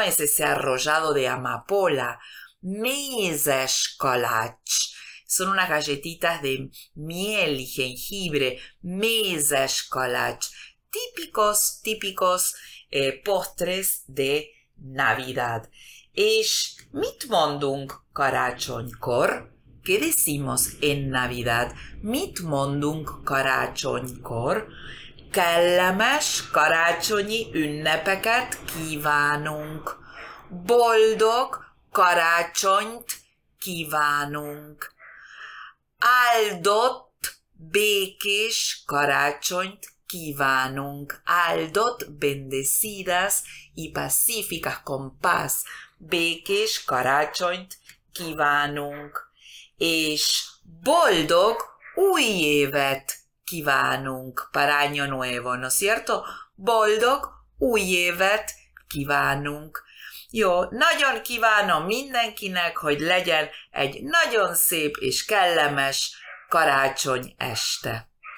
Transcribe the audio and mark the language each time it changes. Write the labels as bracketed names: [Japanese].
[Spanish] Es ese arrollado de amapola. Mézes kalács, son unas galletitas de miel y jengibre. Mézes kalács, típicos, típicos postres de Navidad. [Hungarian] És mit mondunk karácsonykor? [Spanish] ¿Qué decimos en Navidad? [Hungarian] Mit mondunk karácsonykor? Kellemes karácsonyi ünnepeket kívánunk. Boldog karácsonyt kívánunk. Áldott, békés karácsonyt kívánunk. [Spanish] Áldott, bendecidas y pacíficas, con paz. [Hungarian] Békés karácsonyt kívánunk. És boldog új évet kívánunk, [Spanish] para año nuevo, ¿no es cierto? [Hungarian] Boldog új évet kívánunk. Jó, nagyon kívánom mindenkinek, hogy legyen egy nagyon szép és kellemes karácsony este.